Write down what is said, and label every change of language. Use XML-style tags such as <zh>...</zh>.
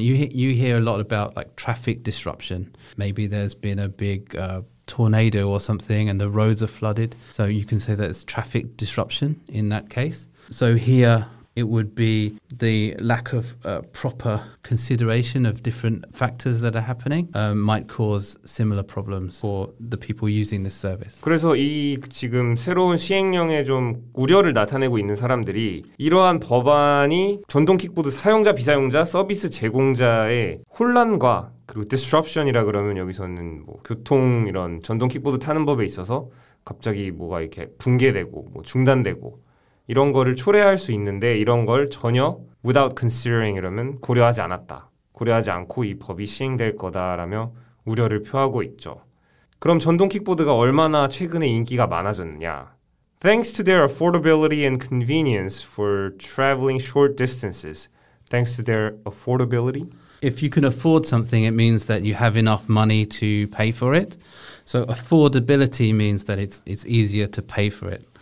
<en>You hear a lot about like traffic disruption. Maybe there's been a big tornado or something, and the roads are flooded. So you can say that it's traffic disruption in that case. So here. It would be the lack of proper consideration of different factors that are happening might cause similar problems for the people using this service.</en> <ko>그래서 이 지금 새로운 시행령에 좀 우려를 나타내고 있는 사람들이 이러한 법안이 전동 킥보드 사용자, 비사용자, 서비스 제공자의 혼란과 그리고 disruption이라 그러면 여기서는 뭐 교통 이런 전동 킥보드 타는 법에 있어서 갑자기 뭐가 이렇게 붕괴되고 뭐 중단되고 이런 거를 초래할 수 있는데 이런 걸 전혀</ko> <en>without considering</en> <ko>이러면 고려하지 않았다. 고려하지 않고 이 법이 시행될 거다라며 우려를 표하고 있죠. 그럼 전동킥보드가 얼마나 최근에 인기가 많아졌느냐?</ko> <en>Thanks to their affordability and convenience for traveling short distances. Thanks to their affordability? If you can afford something, it means that you have enough money to pay for it. So affordability means that it's easier to pay for it.</en>